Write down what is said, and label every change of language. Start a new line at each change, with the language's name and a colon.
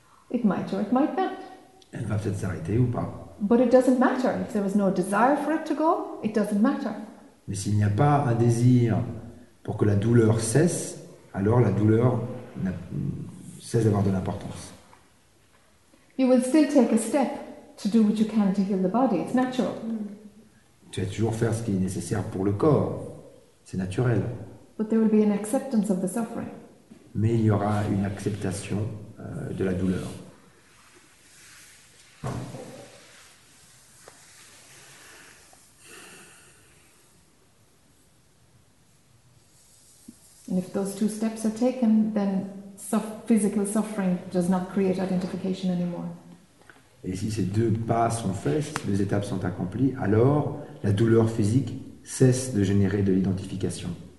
English: It might or it might not.
French: Elle va peut-être s'arrêter ou pas.
English: But it doesn't matter. If there was no desire for it to go, it doesn't matter.
French: Mais s'il n'y a pas un désir pour que la douleur cesse, alors la douleur cesse d'avoir de l'importance.
English: You will still take a step to do what you can to heal the body. It's natural.
French: Tu vas toujours faire ce qui est nécessaire pour le corps. C'est naturel.
English: But there will be an acceptance of the suffering.
French: Mais il y aura une acceptation de la douleur.
English: And if those two steps are taken, then physical suffering does not create identification anymore.
French: Et si ces deux pas sont faits, si les étapes sont accomplies, alors la douleur physique cesse de générer de l'identification.